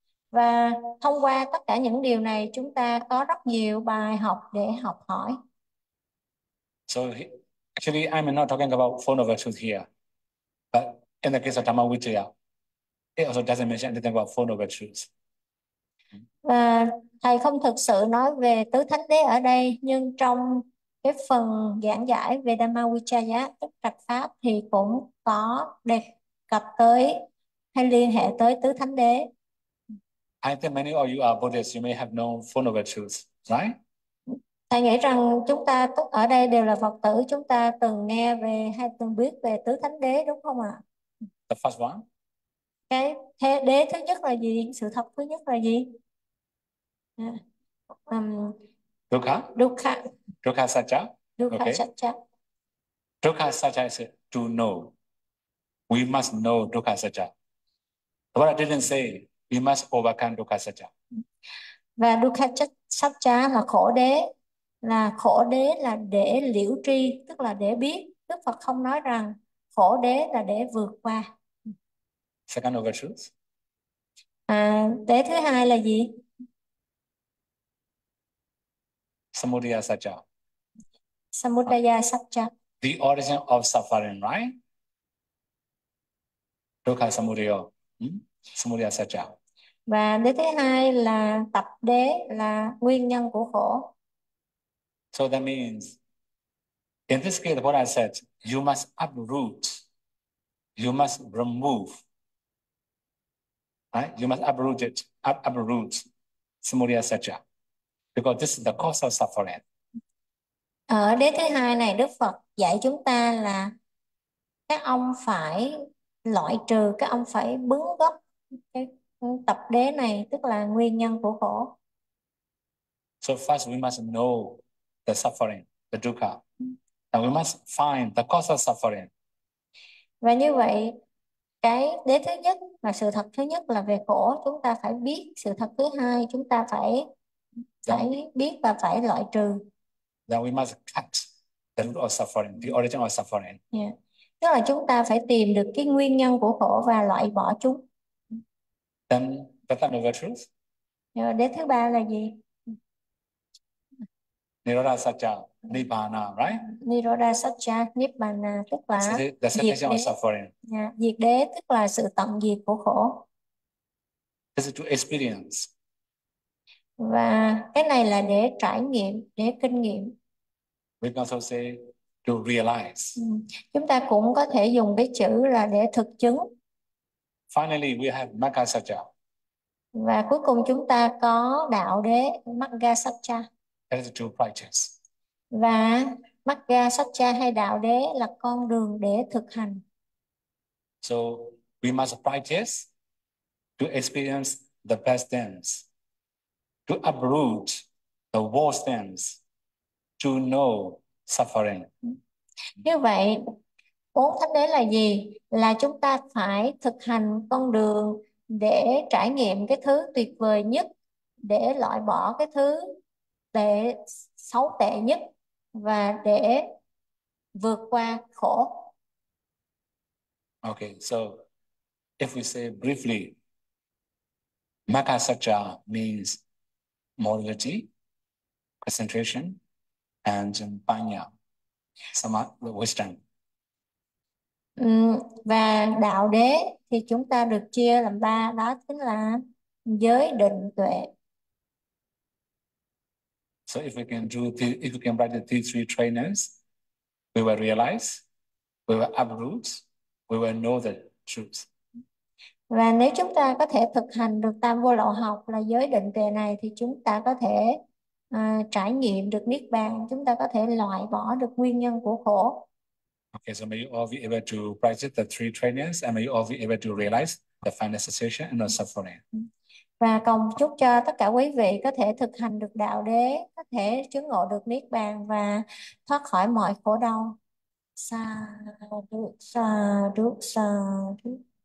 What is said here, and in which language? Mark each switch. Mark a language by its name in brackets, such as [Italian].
[Vietnamese] Và thông qua tất cả những điều này, chúng ta có rất nhiều bài học để học hỏi. [English] So actually, I'm not talking about four noble truths here. But in the case of Dhammavijaya, it also doesn't mention anything about four noble truths. [Vietnamese] Và thầy không thực sự nói về tứ thánh đế ở đây, nhưng trong cái phần giảng giải về Dhammavijaya, tức trạch pháp, thì cũng có đề cập tới hay liên hệ tới tứ thánh đế. [English] I think many of you are Buddhists. You may have known four noble truths, right? [Vietnamese] Thầy nghĩ rằng chúng ta tất ở đây đều là Phật tử, chúng ta từng nghe về hay từng biết về tứ thánh đế đúng không ạ? [English] The first one. [Vietnamese] Cái thế đế thứ nhất là gì? Sự thật thứ nhất là gì? [Pali] Dukkha. Dukkha. Dukkha Dukkha Satcha. Satcha. [English] Okay. Dukkha Satcha is to know. We must know Dukkha Satcha. What I didn't say, we must overcome dukkha satcha. [Vietnamese] Và Dukkha Satcha là khổ đế. Là khổ đế là để liễu tri, tức là để biết. Đức Phật không nói rằng khổ đế là để vượt qua. [English] Second noble truth. [Vietnamese] Đế thứ hai là gì? [Pali] Samudaya Samudaya Satcha. [English] the origin of suffering, right? [Pali] Dukkha samudaya. Samudaya [Vietnamese] Và đế thứ hai là tập đế, là nguyên nhân của khổ. [English] So that means, in this case, what I said, you must uproot, you must remove, right? You must uproot it, uproot, samudaya satcha, because this is the cause of suffering. [Vietnamese] Ở đế thứ hai này Đức Phật dạy chúng ta là các ông phải loại trừ, các ông phải bứng gốc cái tập đế này, tức là nguyên nhân của khổ. [English] So first, we must know the suffering, the dukkha. And we must find the cause of suffering. [Vietnamese] Và như vậy, cái đế thứ nhất và sự thật thứ nhất là về khổ, chúng ta phải biết. Sự thật thứ hai, chúng ta phải biết và phải loại trừ. [English] Then we must cut the root of suffering, the origin of suffering. [Vietnamese] Tức là chúng ta phải tìm được cái nguyên nhân của khổ và loại bỏ chúng. [English] Then the third noble truth. [Vietnamese] Đế thứ ba là gì? [Pali] Nirodha Satya, Nibbana, right? Sacca Nibbana, tức [English] This is [Vietnamese] là [English] the cessation of suffering. [Vietnamese] diệt đế, tức là sự tận diệt của khổ. [English] This is to experience. [Vietnamese] Và cái này là để trải nghiệm, để kinh nghiệm. [English] We can also say to realize. [Vietnamese] Chúng ta cũng có thể dùng cái chữ là để thực chứng. [English] Finally, we have Makkhasaja. [Vietnamese] Và cuối cùng chúng ta có đạo đế Magga [English] That is to practice. [Pali] Sacca. [Vietnamese] Và Magga Sacca hay đạo đế là con đường để thực hành. [English] So we must practice to experience the best things, to uproot the worst things, to know suffering. [Vietnamese] Như vậy, bốn thánh đế là gì? Là chúng ta phải thực hành con đường để trải nghiệm cái thứ tuyệt vời nhất, để loại bỏ cái thứ tệ, xấu tệ nhất, và để vượt qua khổ. [English] Okay, so if we say briefly, Makkhasaja means morality, concentration, and Panya, some wisdom. [Vietnamese] Và đạo đế thì chúng ta được chia làm ba, đó chính là giới, định, tuệ. [English] So if we can do the, if we can write the three trainers, we will realize, we will uproot, we will know the truth. [Vietnamese] Và nếu chúng ta có thể thực hành được tam vô lậu học là giới, định, tuệ này, thì chúng ta có thể trải nghiệm được niết bàn, chúng ta có thể loại bỏ được nguyên nhân của khổ. [English] Okay, so may you all be able to practice the three trainings and may you all be able to realize the final cessation and the suffering. [Vietnamese] Và cầu chúc cho tất cả quý vị có thể thực hành được đạo đế, có thể chứng ngộ được niết bàn và thoát khỏi mọi khổ đau. [Pali] Sa-du-sa-du-sa-du.